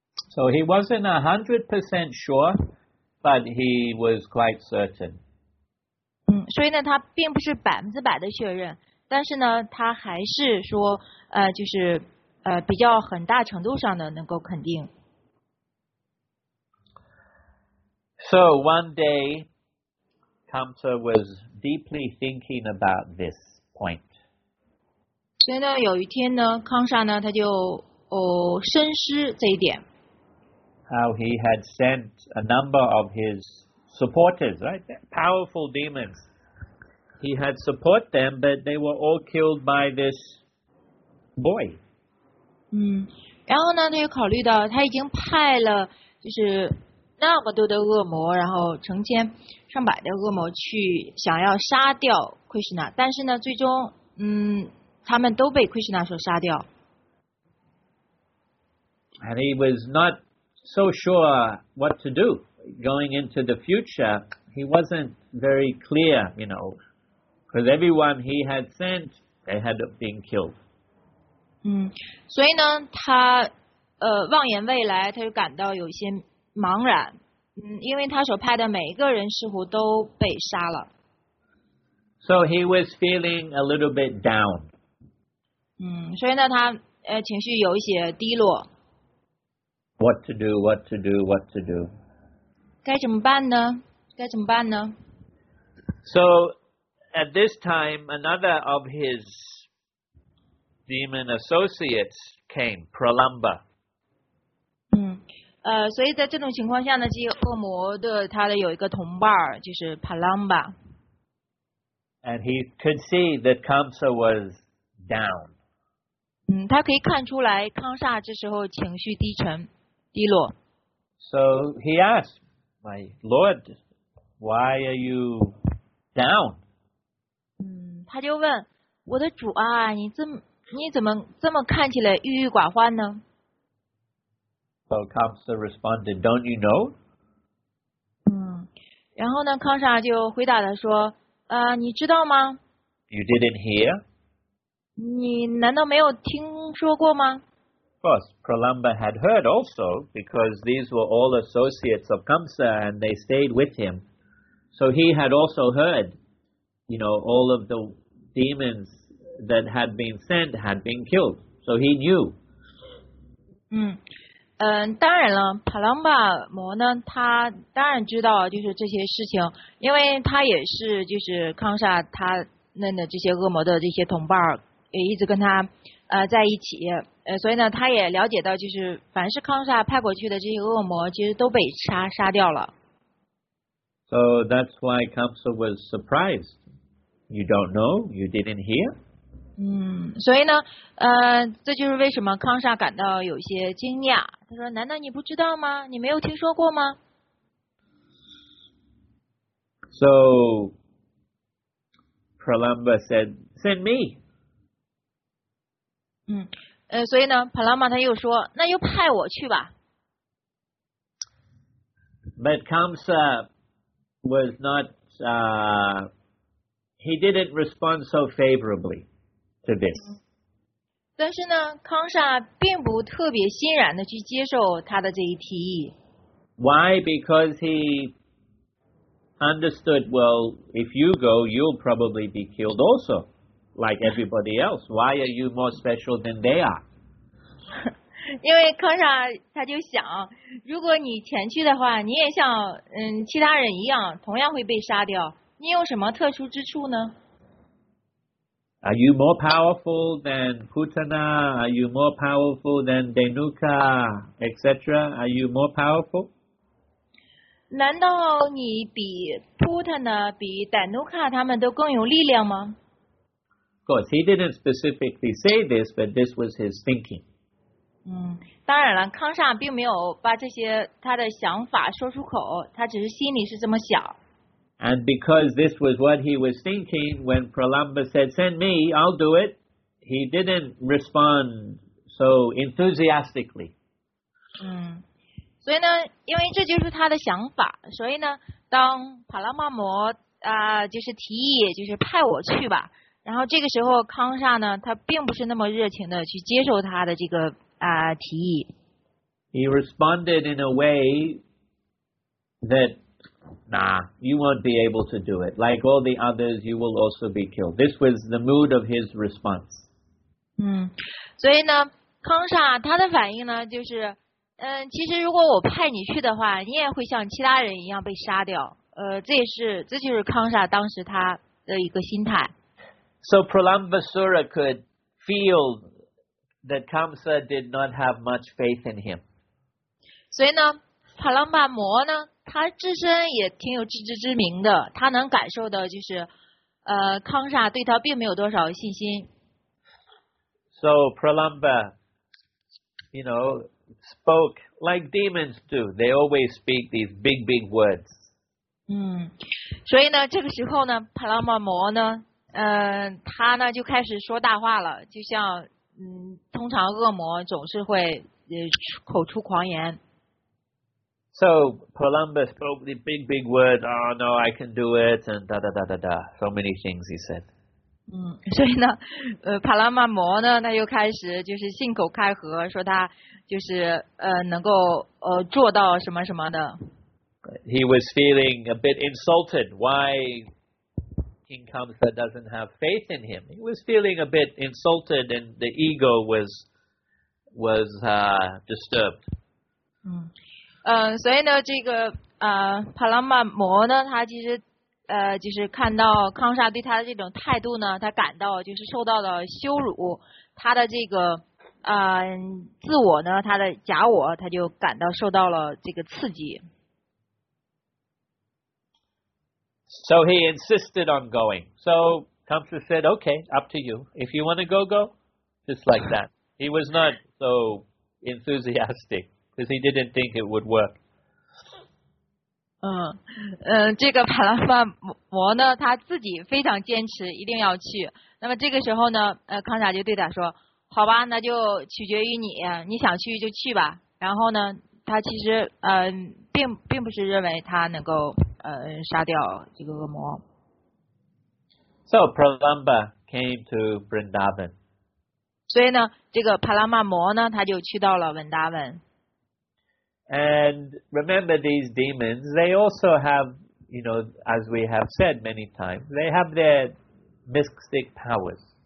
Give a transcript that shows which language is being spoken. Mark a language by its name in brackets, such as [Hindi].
[English] So he wasn't 100% sure, but he was quite certain. [Chinese] 所以呢他并不是百分之百的确认，但是呢，他还是说，就是比较很大程度上的能够肯定。 [English] So one day, Kamsa was deeply thinking about this point. [Chinese] 所以呢，有一天呢，康沙呢，他就深思这一点。 [English] How he had sent a number of his supporters, right? Powerful demons. He had support them, but they were all killed by this boy. [Chinese] 然后呢，他又考虑到他已经派了就是那么多的恶魔，然后成千上百的恶魔去想要杀掉 Krishna， 但是呢，最终他们都被 Krishna 所杀掉。 [English] And he was not so sure what to do going into the future. He wasn't very clear, you know, because everyone he had sent, they had been killed. [Chinese] 所以呢，他望眼未来，他就感到有一些茫然。因为他所派的每一个人似乎都被杀了。 [English] So he was feeling a little bit down. [Chinese] 所以呢，他情绪有一些低落。 [English] What to do, what to do, what to do. [Chinese] 该怎么办呢？该怎么办呢？ [English] So, at this time, another of his demon associates came, Pralamba. [Chinese] 所以在这种情况下呢，这些恶魔的他的有一个同伴就是 Pralamba. [English] And he could see that Kamsa was down. [Chinese] 他可以看出来康萨这时候情绪低沉。低落。 [English] So he asked, "My Lord, why are you down?" [Chinese] 他就问我的主啊，你怎么看起来郁郁寡欢呢 [English] ？So Kamsa responded, "Don't you know?" [Chinese] 然后呢，康沙就回答他说，你知道吗 [English] ？You didn't hear? [Chinese] 你难道没有听说过吗？ [English] Of course, Pralamba had heard also because these were all associates of Kamsa and they stayed with him. So he had also heard, you know, all of the demons that had been sent had been killed. So he knew. [Chinese] 当然了 ，Pralamba 魔呢，他当然知道就是这些事情，因为他也是就是康萨他那的这些恶魔的这些同伴也一直跟他在一起。所以呢，他也了解到，就是凡是康萨派过去的这些恶魔，其实都被杀掉了。 [English] So that's why Kamsa was surprised. You don't know? You didn't hear? [Chinese] 所以呢，这就是为什么康萨感到有些惊讶。他说：“难道你不知道吗？你没有听说过吗 [English] ？”So Pralamba said, "Send me." [Chinese] 所以呢，帕拉玛他又说，那就派我去吧。 [English] But Kamsa was not, he didn't respond so favorably to this. [Chinese] 但是呢，康萨并不特别欣然的去接受他的这一提议。 [English] Why? Because he understood, well, if you go, you'll probably be killed also, like everybody else. Why are you more special than they are? [Chinese] 因为康萨他就想，如果你前去的话，你也像其他人一样，同样会被杀掉。你有什么特殊之处呢 [English] ？Are you more powerful than Putana? Are you more powerful than Denuka, etc.? Are you more powerful? [Chinese] 难道你比 Putana、比 Denuka 他们都更有力量吗 [English] ？Of course, he didn't specifically say this, but this was his thinking. [Chinese] 当然了，康萨并没有把这些他的想法说出口，他只是心里是这么想。 [English] And because this was what he was thinking when Pralamba said, "Send me, I'll do it," he didn't respond so enthusiastically. [Chinese] 所以呢，因为这就是他的想法，所以呢，当帕拉玛摩就是提议就是派我去吧，然后这个时候康萨呢，他并不是那么热情的去接受他的这个。 [English] He responded in a way that Nah, you won't be able to do it. Like all the others, you will also be killed. This was the mood of his response. [Chinese] 所以呢，康沙他的反应呢，就是，其实如果我派你去的话，你也会像其他人一样被杀掉。这就是康沙当时他的一个心态。 [English] So Pralambasura could feel that Kamsa did not have much faith in him. [Chinese] 所以呢，帕朗巴摩呢，他自身也挺有自知之明的，他能感受到就是，康沙对他并没有多少信心。 [English] So Pralamba, you know, spoke like demons do. They always speak these big, big words. [Chinese] 所以呢，这个时候呢，帕朗巴摩呢，他呢就开始说大话了，就像通常恶魔总是会口出狂言。 [English] So Pralamba spoke the big, big words. Oh no, I can do it, and da da da da da. So many things he said. [Chinese] 所以呢，帕拉玛摩呢，他又开始就是信口开河，说他就是能够做到什么什么的。 [English] He was feeling a bit insulted. Why King Kamsa doesn't have faith in him? He was feeling a bit insulted, and the ego was disturbed. [Chinese] 所以呢，这个帕拉玛摩呢，他其实就是看到康沙对他的这种态度呢，他感到就是受到了羞辱，他的这个自我呢，他的假我，他就感到受到了这个刺激。 [English] So he insisted on going. So Kamsa said, "Okay, up to you. If you want to go, go." Just like that, he was not so enthusiastic. Because he didn't think it would work. [Chinese] 这个帕拉玛摩呢，他自己非常坚持，一定要去。那么这个时候呢，康沙就对他说：“好吧，那就取决于你，你想去就去吧。” 然后呢，他其实并不是认为他能够杀掉这个恶魔。 [English] So Pralamba came to Vrindavan. [Chinese] 所以呢，这个帕拉玛摩呢，他就去到了文达文。 [English] And remember, these demons, they also have, you know, as we have said many times, they have their mystic powers.